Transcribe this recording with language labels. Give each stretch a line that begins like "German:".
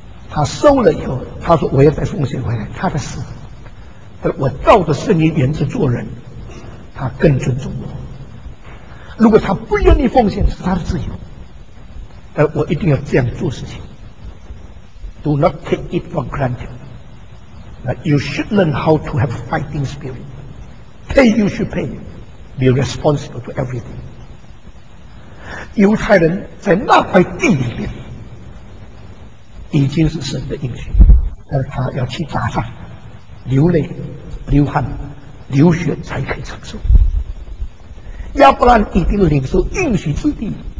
Chinese: 他收了以后，他说我要再奉献回来，他的事。但我照着圣经原则做人，他更尊重我。如果他不愿意奉献，是他的自由。但我一定要这样做事情。
English: Do not take it for granted. That you should learn how to have fighting spirit. Pay you should pay. Be responsible to everything.
Chinese: 犹太人在那块地里面已经是神的应许，但是他要去打仗，流泪流汗流血才可以承受。亚伯兰已经领受应许之地，